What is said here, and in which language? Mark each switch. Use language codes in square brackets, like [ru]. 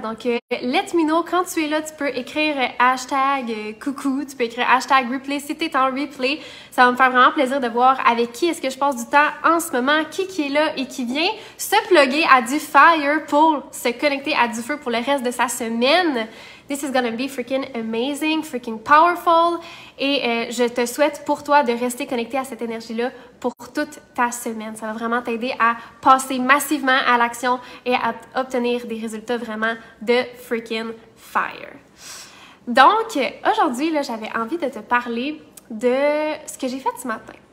[fr] Donc, [en] let me know. [fr] Quand tu es là, tu peux écrire hashtag coucou, tu peux écrire hashtag replay si tu es en replay. Ça va me faire vraiment plaisir de voir avec qui est-ce que je passe du temps en ce moment, qui est là et qui vient se plugger à du fire pour se connecter à du feu pour le reste de sa semaine. [en] This is gonna be freaking amazing, freaking powerful. [fr] Et je te souhaite pour toi de rester connecté à cette énergie-là pour toute ta semaine. Ça va vraiment t'aider à passer massivement à l'action et à obtenir des résultats vraiment de freaking fire. Donc, aujourd'hui, là, j'avais envie de te parler de ce que j'ai fait ce matin.